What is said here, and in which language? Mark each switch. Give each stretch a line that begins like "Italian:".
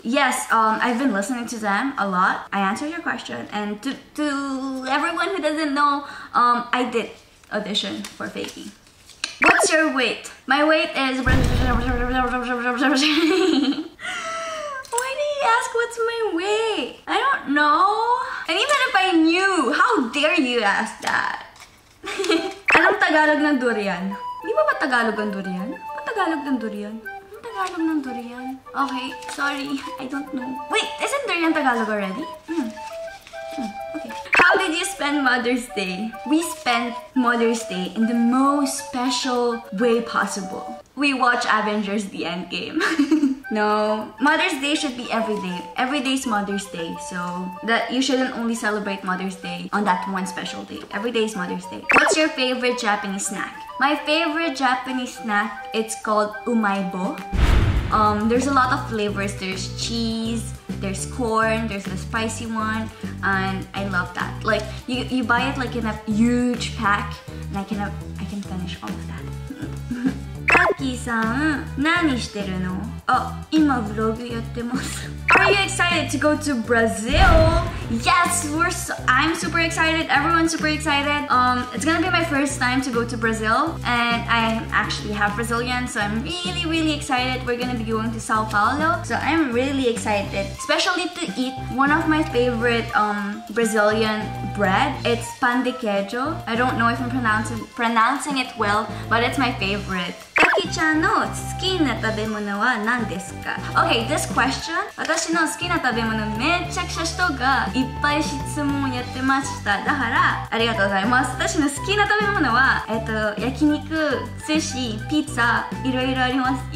English: Yes, I've been listening to them a lot. I answered your question, and to everyone who doesn't know, I did audition for FAKY. What's your weight? My weight is... Why did you ask what's my weight? I don't know. And even if I knew, how dare you ask that?
Filipino: Anong Tagalog ng durian? Di ba Tagalog ng durian? Ang Tagalog ng durian? Tagalog ng durian?
English: Okay, sorry, I don't know. Wait, isn't durian Tagalog already? Okay. How did you spend Mother's Day? We spent Mother's Day in the most special way possible. We watch Avengers The Endgame. No, Mother's Day should be every day. Every day is Mother's Day, so that you shouldn't only celebrate Mother's Day on that one special day. Every day is Mother's Day. What's your favorite Japanese snack? My favorite Japanese snack, it's called umaibo. There's a lot of flavors. There's cheese, there's corn, there's the spicy one, and I love that. Like, you buy it like in a huge pack, and I can finish all of that.
Japanese: Taki-san,何してるの? あ、今ブログやってます。
English: Are you excited to go to Brazil? Yes, I'm super excited. Everyone's super excited. It's gonna be my first time to go to Brazil, and I actually have Brazilian, so I'm really, really excited. We're gonna be going to Sao Paulo, so I'm really excited, especially to eat one of my favorite Brazilian bread. It's pan de queijo. I don't know if I'm pronouncing it well, but it's my favorite.
Japanese: タキちゃんの好きな食べ物は何ですか?
English: Okay, this question,
Japanese: 私の好きな食べ物めちゃくちゃ人がいっぱい質問やってました。だからありがとうございます。私の好きな食べ物は 焼肉、 寿司、 ピザ、 いろいろあります。